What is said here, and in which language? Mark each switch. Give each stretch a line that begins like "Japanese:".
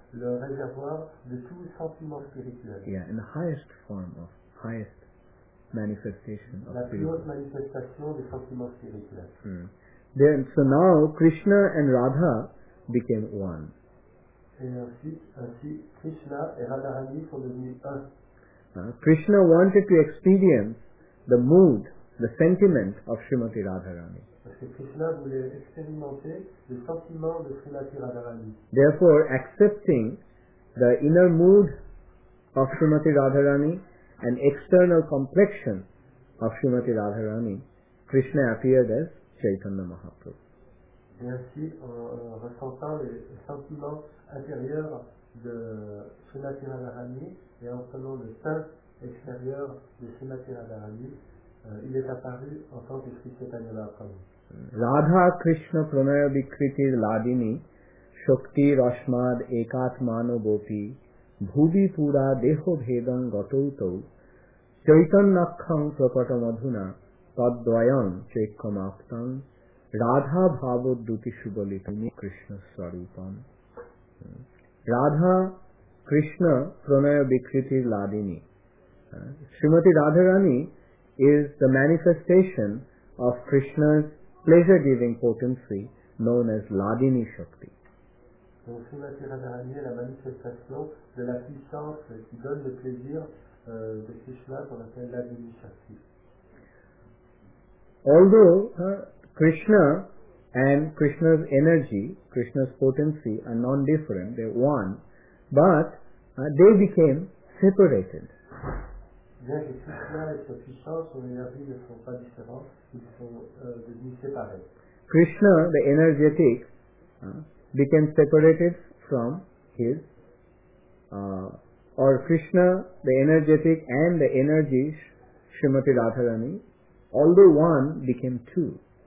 French: le réservoir de tout sentiment spirituel.
English: Yeah, in the highest form of highest manifestation of
French: la plus haute manifestation des sentiments spirituels.
English: Then, so now Krishna and Radha became one.
French: Et ainsi Krishna et Radharani sont devenus un.
English: Krishna wanted to experience the mood, the sentiment of Srimati Radharani.
French: Parce que Krishna voulait expérimenter le sentiment de Srimati Radharani.
English: Therefore, accepting the inner mood of Srimati Radharani and external complexion of Srimati Radharani, Krishna appeared as Chaitanya Mahaprabhu.
French: Et ainsi, en ressentant le sentiment intérieur de Srimati Radharani et en prenant le teint extérieur de Srimati Radharani, il est apparu en tant que Sri Chaitanya Mahaprabhu.
Sanskrit: Radha Krishna Pranaya Vikriti Ladini Shakti Rashmad Ekatmano Gopi Bhubi Pura Deho Bhedan Gatoto Chaitanakhang Prakata Madhuna Tadvayam Chekkamaktam Radha Bhavad Duti Shubalitini Krishna Sarupam. Radha Krishna Pranaya Vikriti Ladini.
English: Srimati Radharani is the manifestation of Krishna's pleasure-giving potency known as Ladini Shakti.
French: Donc Srimati Radharani est la manifestation de la puissance qui donne le plaisir de Krishna qu'on appelle Ladini Shakti.
English: Although Krishna and Krishna's energy, Krishna's potency are non-different, they're one, but they became separated.
French: Bien que Krishna et sa puissance, son énergie ne sont pas différentes, ils sont devenus séparés.
English: Krishna, the energetic, became separated from his, or Krishna, the energetic and the energy, Srimati Radharani, although one became two.